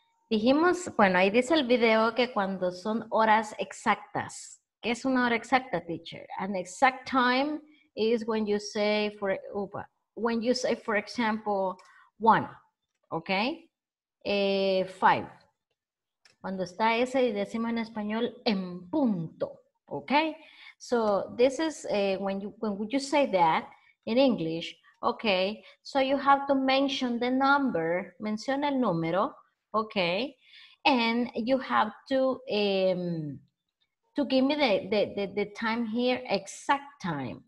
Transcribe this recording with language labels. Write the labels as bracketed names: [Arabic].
[Spanish] Dijimos, bueno, ahí dice el video que cuando son horas exactas. ¿Qué es una hora exacta, teacher? [English] An exact time is when you say, for example, one, okay? Five. [Spanish] Cuando está ese y decimos en español, en punto, okay? [English] So this is when you say that in English, okay? So you have to mention the number, [Spanish] menciona el número, [English] okay? And you have to give me the time here, exact time.